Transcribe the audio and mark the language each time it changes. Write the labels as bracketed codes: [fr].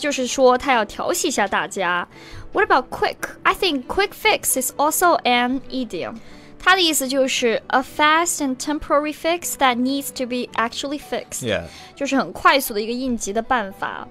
[zh] 就是说他要调戏一下大家。 [en] What about quick? I think quick fix is also an idiom. [zh] 它的意思就是 [en] a fast and temporary fix that needs to be actually fixed. Yeah. [zh] 就是很快速的一个应急的办法。